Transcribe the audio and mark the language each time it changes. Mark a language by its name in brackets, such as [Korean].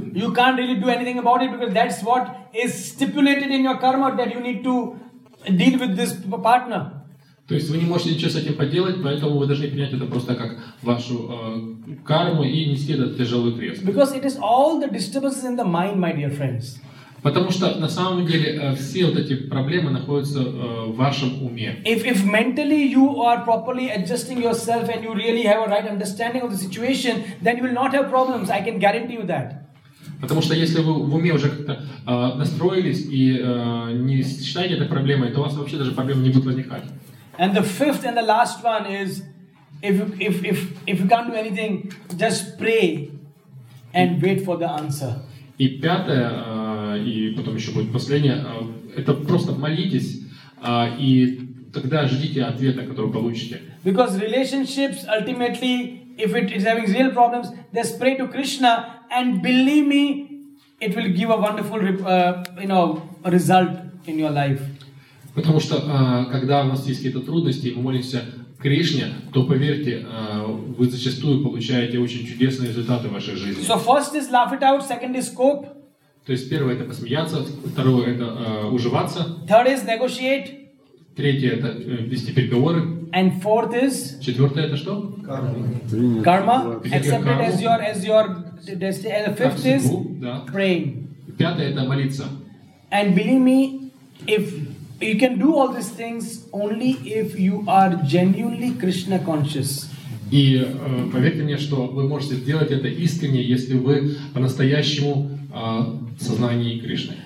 [English] You can't really do anything about it because that's what is stipulated in your karma that you need to deal with this partner. [Russian] То есть вы не можете ничего с этим поделать, поэтому вы должны принять это просто как вашу карму и нести этот тяжелый крест. [English] Because it is all the disturbances in the mind, my dear friends. [Russian] Потому что на самом деле все вот эти проблемы находятся в вашем уме. [English] If mentally you are properly adjusting yourself and you really have a right understanding of the situation, then you will not have problems. I can guarantee you that. [Russian] Потому что если вы в уме уже как-то настроились и не считаете это проблемой, то у вас вообще даже проблем не будет возникать. [English] And the fifth and the last one is if you can't do anything, just pray and wait for the answer. [Russian] И пятое, и потом еще будет последнее, это просто молитесь, и тогда ждите ответа, который получите. [English] Because relationships ultimately, if it is having real problems, just pray to Krishna. And believe me, it will give a wonderful, result in your life. [Russian] Потому что когда у нас есть какие-то трудности, мы молимся Кришне, то поверьте, вы зачастую получаете очень чудесные результаты в вашей жизни. [English] So first is laugh it out, second is cope. [Russian] То есть первое это посмеяться, второе это уживаться. [English] Third is negotiate. [Russian] Третье это вести переговоры. [English] And fourth is. [Russian] Четвертое это что? [English] Karma. Accept it as your The fifth is praying. [Russian] Пятое это молиться. [English] And believe me, if you can do all these things only if you are genuinely Krishna conscious. [Russian] И поверьте мне, что вы можете сделать это искренне, если вы по-настоящему в сознании Кришны.